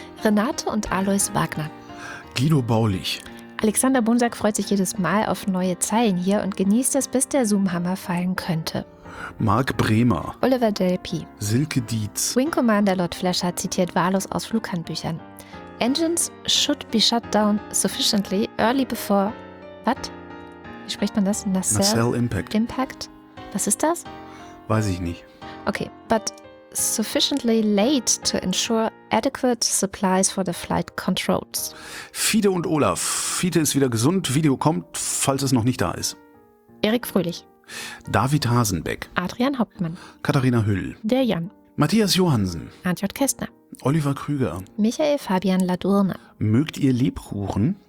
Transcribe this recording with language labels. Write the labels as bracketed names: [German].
[German] Renate und Alois Wagner. Guido Baulich. Alexander Bonsack freut sich jedes Mal auf neue Zeilen hier und genießt es, bis der Zoom-Hammer fallen könnte. Marc Bremer. Oliver Delpy. Silke Dietz. Wing Commander Lord Flasher zitiert wahllos aus Flughandbüchern. [English] Engines should be shut down sufficiently early before... What? [German] Wie spricht man das? [English] Nacelle Impact. [German] Impact? Was ist das? Weiß ich nicht. [English] Okay, but sufficiently late to ensure adequate supplies for the flight controls. [German] Fiete und Olaf. Fiete ist wieder gesund. Video kommt, falls es noch nicht da ist. Erik Fröhlich. David Hasenbeck. Adrian Hauptmann. Katharina Hüll. Der Jan. Matthias Johansen. Antj Kästner. Oliver Krüger. Michael Fabian Ladurne. Mögt ihr Lebkuchen?